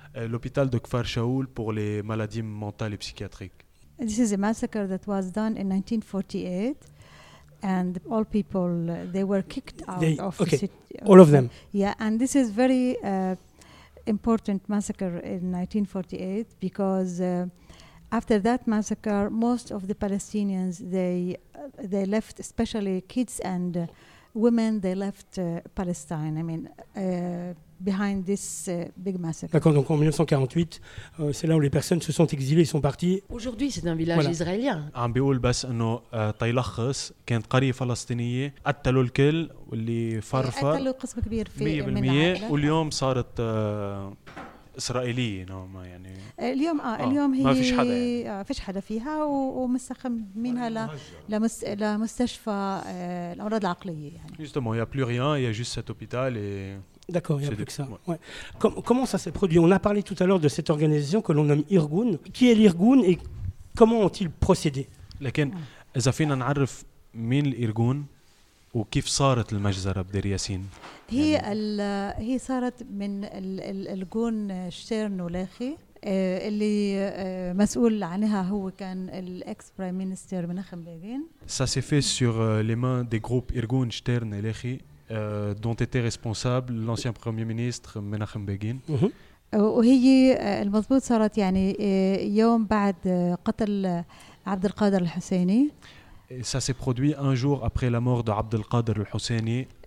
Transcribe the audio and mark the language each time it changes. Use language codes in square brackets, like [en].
[fr] L'hôpital de Kfar Shaoul pour les maladies mentales et psychiatriques. [en] This is a massacre that was done in 1948, and all people they were kicked out they, of okay, the city. All of them. Yeah, and this is very important massacre in 1948 because after that massacre, most of the Palestinians they left, especially kids and women, they left Palestine. I mean. Behind this big massacre. [fr] D'accord, donc en 1948, c'est là où les personnes se sont exilées, sont parties. Aujourd'hui, c'est un village voilà. Israélien. [ar] عم بيقول بس انه طيلخص كانت قريه فلسطينيه قتلوا الكل واللي فرفر قتلوا قسم كبير في 100% واليوم صارت اسرائيليه نوعا ما يعني اليوم اليوم هي ما فيش حدا يعني. فيش حدا فيها ومستخدم منها لمستشفى الامراض العقليه يعني [fr] justement il y a plus rien, il y a juste cet hôpital et D'accord, il n'y a plus que ça. Ouais. Comment ça s'est produit ? On a parlé tout à l'heure de cette organisation que l'on nomme Irgun. Qui est l'Irgun et comment ont-ils procédé ? [ar] لكن إذا فينا نعرف مين الإرجون وكيف صارت المجزرة بدير ياسين. هي صارت من الإرجون شتيرن ولاخي اللي مسؤول عنها هو كان الإكس برايم مينستر مناخم بيغين. [fr] Ça s'est fait sur les mains des groupes Irgun, Shtern et Lehi. Dont était responsable l'ancien premier ministre Menachem Begin. [ar] وهي المضبوط صارت يعني يوم بعد قتل عبد القادر الحسيني. [fr] Ça s'est produit un jour après la mort de Abd al-Qadir al-Husseini.